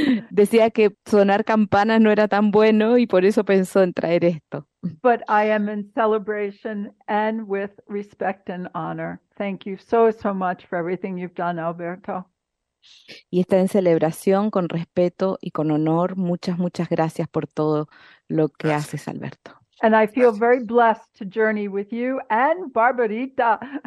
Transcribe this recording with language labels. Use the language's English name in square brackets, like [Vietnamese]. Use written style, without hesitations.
[Spanish] Decía que sonar campanas no era tan bueno y por eso pensó en traer esto. [English] But I am in celebration and with respect and honor. Thank you so, so much for everything you've done, Alberto. [Spanish] Y está en celebración con respeto y con honor. Muchas, muchas gracias por todo lo que haces, Alberto. [English] And I feel very blessed to journey with you and Barbarita.